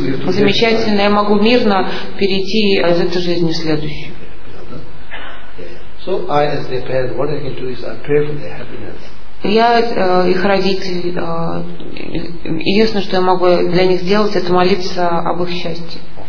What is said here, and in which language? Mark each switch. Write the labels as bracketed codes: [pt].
[ru] Замечательно, я могу мирно перейти из этой жизни в следующую. [en] So I, as their parent, what I can do is I pray for their happiness. [ru] Я их родитель, единственное, что я могу для них сделать, это молиться об их счастье.